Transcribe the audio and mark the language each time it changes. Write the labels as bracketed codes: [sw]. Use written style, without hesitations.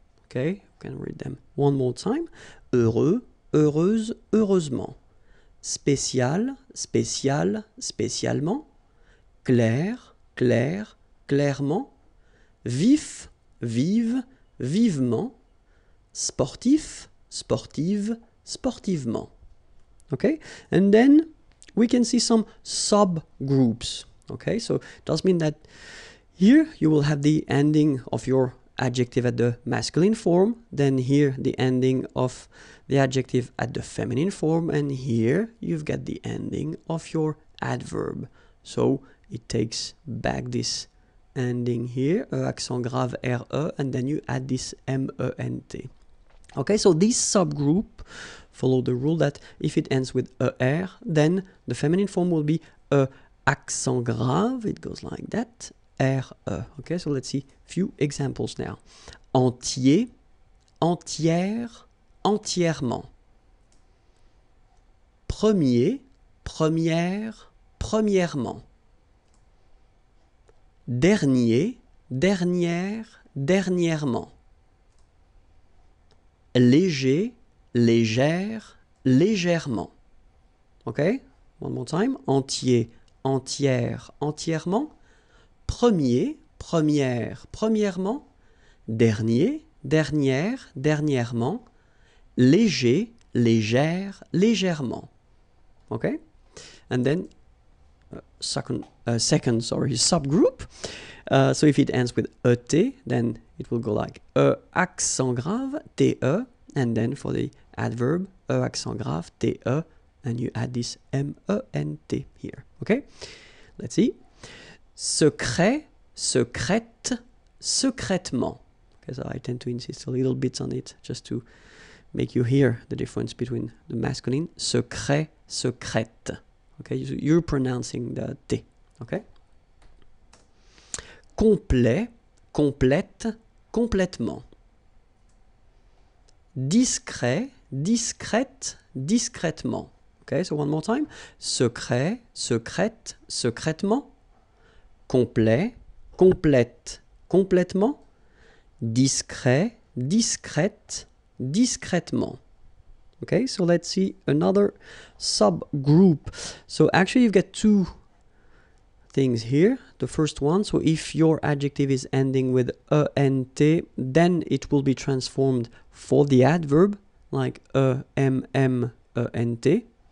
[en] Okay, we can read them one more time. [fr] Heureux, heureuse, heureusement. Spécial, spécial, spécialement. Clair, clair, clairement. Vif, vive, vivement. Sportif, sportive, sportivement. [en] Okay, and then we can see some subgroups. Okay, so it does mean that here you will have the ending of your adjective at the masculine form, then here the ending of the adjective at the feminine form, and here you've got the ending of your adverb. So it takes back this ending here, e accent grave RE, and then you add this MENT. Okay, so this subgroup follow the rule that if it ends with ER, then the feminine form will be e accent grave, it goes like that. RE. Okay, so let's see a few examples now. [fr] Entier, entière, entièrement. Premier, première, premièrement, dernier, dernière, dernièrement, léger, légère, légèrement. [en] OK? One more time. [fr] Entier, entière, entièrement. Premier, première, premièrement. Dernier, dernière, dernièrement. Léger, légère, légèrement. [en] OK? And then, second, subgroup. So if it ends with ET, then it will go like E accent grave, TE. And then for the adverb, E accent grave, TE. And you add this M-E-N-T here. OK? Let's see. [fr] Secret, secrète, secrètement. [en] Okay, so I tend to insist a little bit on it just to make you hear the difference between the masculine. [fr] Secret, secrète. [en] Okay, so you're pronouncing the T. Okay? [fr] Complet, complète, complètement. Discret, discrète, discrètement. [en] Okay, so one more time. [fr] Secret, secrète, secrètement. Complet, complète, complètement. Discret, discrète, discrètement. [en] Okay, so let's see another subgroup. So actually you've got two things here. The first one, so if your adjective is ending with ENT, then it will be transformed for the adverb, like E-M-M-E-N-T.